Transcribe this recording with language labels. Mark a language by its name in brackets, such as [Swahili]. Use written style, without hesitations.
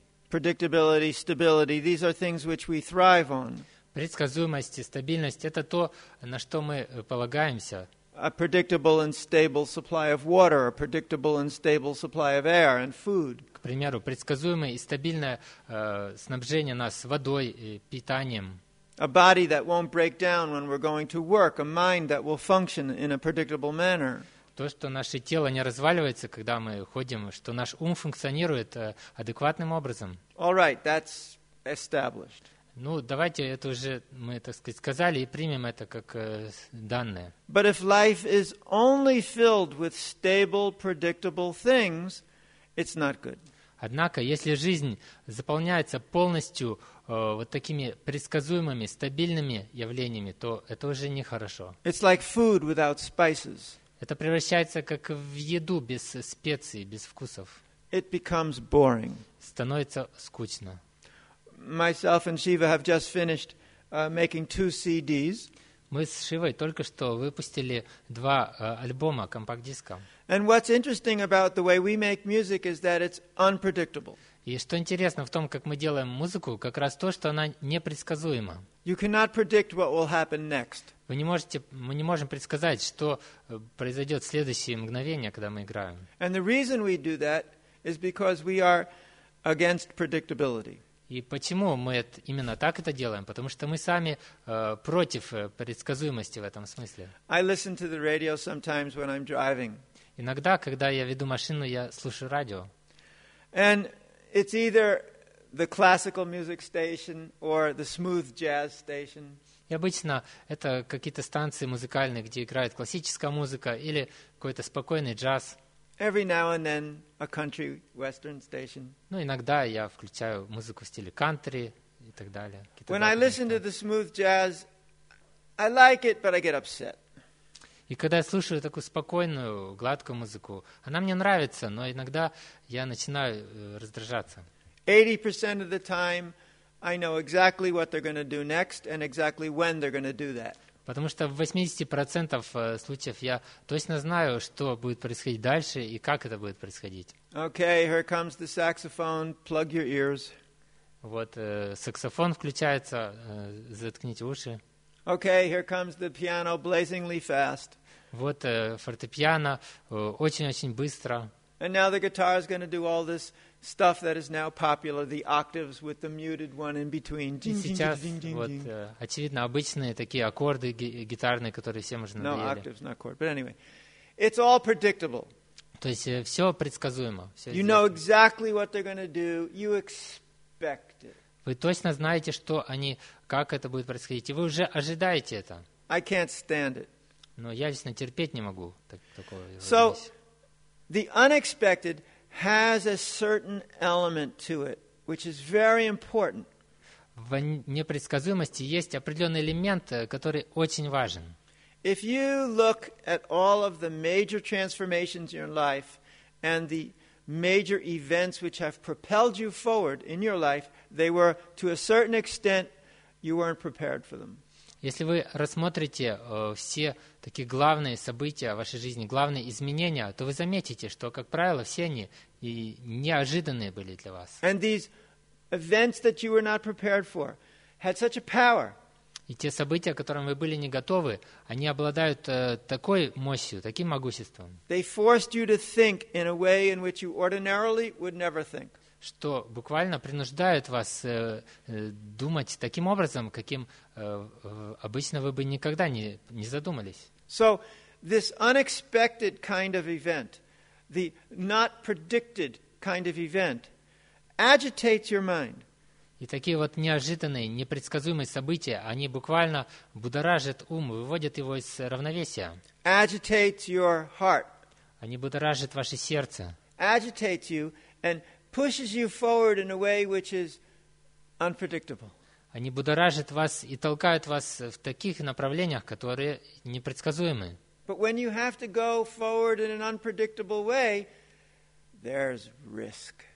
[English] Predictability, stability, these are things which we thrive on. [Russian] Предсказуемость и стабильность — это то, на что мы полагаемся. [English] A predictable and stable supply of water, a predictable and stable supply of air and food. [Russian] К примеру, предсказуемое и стабильное снабжение нас водой и питанием. [English] A body that won't break down when we're going to work, a mind that will function in a predictable manner. [Russian] То, что наше тело не разваливается, когда мы ходим, что наш ум функционирует адекватным образом. [English] All right, that's established. [Russian] Ну, давайте это уже мы, так сказать, сказали и примем это как данное. [English] But if life is only filled with stable, predictable things, it's not good. [Russian] Однако, если жизнь заполняется полностью вот такими предсказуемыми, стабильными явлениями, то это уже нехорошо. [English] It's like food without spices. [Russian] Это превращается как в еду без специй, без вкусов. [English] It becomes boring. [Russian] Становится скучно. [English] Myself and Shiva have just finished making two CDs. [Russian] Мы с Шивой только что выпустили два альбома компакт-диска. [English] And what's interesting about the way we make music is that it's unpredictable. [Russian] И что интересно в том, как мы делаем музыку, как раз то, что она непредсказуема. [English] You cannot predict what will happen next. [Russian] Мы не можем предсказать, что произойдет в следующее мгновение, когда мы играем. [English] And the reason we do that is because we are against predictability. [Russian] И почему мы именно так это делаем? Потому что мы сами против предсказуемости в этом смысле. [English] I listen to the radio sometimes when I'm driving. [Russian] Иногда, когда я веду машину, я слушаю радио. [English] And it's either the classical music station or the smooth jazz station. [Russian] И обычно это какие-то станции музыкальные, где играет классическая музыка или какой-то спокойный джаз. [English] Every now and then a country western station. [Russian] Ну, иногда я включаю музыку в стиле кантри и так далее. Какие-то [English] When I listen to the smooth jazz, I like it, but I get upset. [Russian] И когда я слушаю такую спокойную, гладкую музыку, она мне нравится, но иногда я начинаю раздражаться. [English] 80% of the time I know exactly what they're going to do next and exactly when they're going to do that. [Russian] Потому что в 80% случаев я точно знаю, что будет происходить дальше и как это будет происходить. [English] Okay, here comes the saxophone, plug your ears. [Russian] Вот саксофон включается, заткните уши. [English] Okay, here comes the piano, blazingly fast. [Russian] Вот фортепиано очень-очень быстро. [English] And now the guitar is going to do all this stuff that is now popular, the octaves with the muted one in between. [Russian] И сейчас вот очевидно обычные такие аккорды гитарные, которые всем уже надоели. [English] No, octaves, not chord. But anyway, it's all predictable. [Russian] То есть все предсказуемо. [English] You know exactly what they're going to do. You expect it. [Russian] Вы точно знаете, что они, как это будет происходить, и вы уже ожидаете это. [English] I can't stand it. [Russian] Но я лично терпеть не могу такого. [English] So the unexpected has a certain element to it, which is very important. [Russian] В непредсказуемости есть определенный элемент, который очень важен. [English] If you look at all of the major transformations in your life and the major events which have propelled you forward in your life, they were, to a certain extent, you weren't prepared for them. [Russian] Если вы рассмотрите все такие главные события в вашей жизни, главные изменения, то вы заметите, что, как правило, все они и неожиданные были для вас. [English] And these events that you were not prepared for had such a power. [Russian] И те события, к которым вы были не готовы, они обладают такой мощью, таким могуществом. [English] They forced you to think in a way in which you ordinarily would never think. [Russian] Что буквально принуждает вас думать таким образом, каким обычно вы бы никогда не задумались. [English] So, this unexpected kind of event, the not predicted kind of event, agitates your mind. [Russian] И такие вот неожиданные, непредсказуемые события, они буквально будоражат ум, выводят его из равновесия. [English] Agitates your heart. [Russian] Они будоражат ваше сердце. [English] Agitates you and pushes you forward in a way which is unpredictable. [Russian] Они будоражат вас и толкают вас в таких направлениях, которые непредсказуемы. [English] But when you have to go forward in an unpredictable way, there's risk.